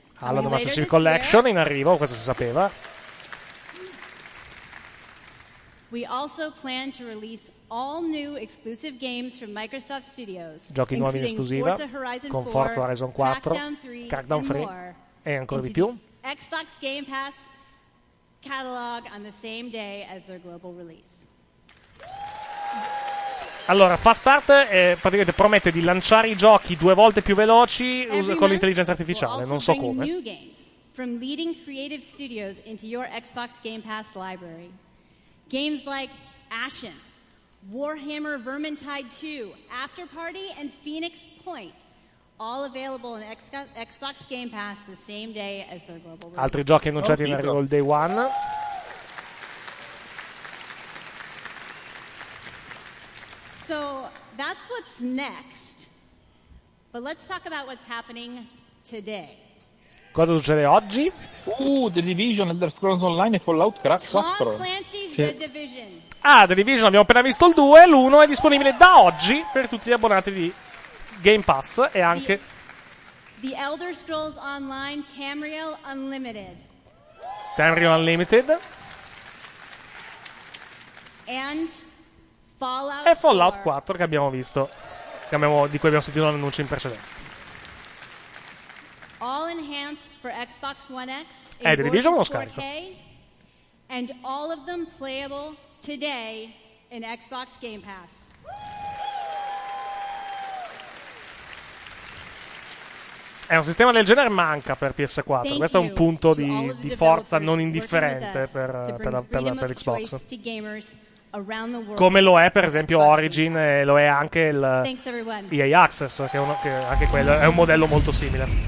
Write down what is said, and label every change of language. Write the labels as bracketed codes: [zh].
[it] Halo the Master Chief Collection, in arrivo, questo si sapeva. [en] We also plan to release all new exclusive games from Microsoft Studios. [it] Giochi nuovi in esclusiva, con Forza Horizon 4, Crackdown 3 e ancora di più. [en] Xbox Game Pass catalog on the same day as their global release. [it] Allora, Fast Start praticamente promette di lanciare i giochi due volte più veloci con l'intelligenza artificiale, non so come. [en] New games from leading creative studios into your Xbox Game Pass library. Games like Ashen, Warhammer Vermintide 2, After Party, and Phoenix Point, all available in Xbox Game Pass the same day as their global release. [it] Altri giochi annunciati in arrivo il day one. [en] So that's what's next. But let's talk about what's happening today. [it] Cosa succede oggi? The Division, Elder Scrolls Online e Fallout 4. [en] Tom Clancy's The Division. [it] Ah, The Division, abbiamo appena visto il 2. L'1 è disponibile da oggi per tutti gli abbonati di Game Pass e anche... [en] The Elder Scrolls Online Tamriel Unlimited. Tamriel Unlimited. And Fallout [it] 4. E Fallout 4 che abbiamo visto, di cui abbiamo sentito l'annuncio in precedenza. [en] All enhanced for Xbox One X and Xbox 4K, and all of them playable today in Xbox Game Pass. [it] È un sistema del genere manca per PS4. Questo è un punto di forza non indifferente per Xbox. Come lo è per esempio Origin e lo è anche il EA Access, che anche quello è un modello molto simile.